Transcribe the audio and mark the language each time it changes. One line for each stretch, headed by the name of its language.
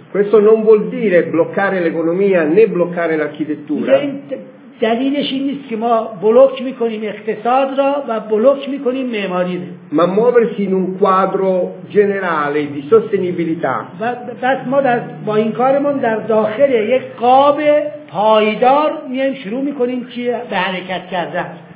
Italian: Questo non vuol dire bloccare l'economia né bloccare l'architettura.
Persian: دلیلش این نیست که ما بلوک میکنیم اقتصاد را و بلوک میکنیم معماری را.
Italian: Ma muoversi in un quadro generale di sostenibilità.
Persian: بس ما با این کارمون در داخل یک قاب پایدار میایم شروع میکنیم که به حرکت کردن.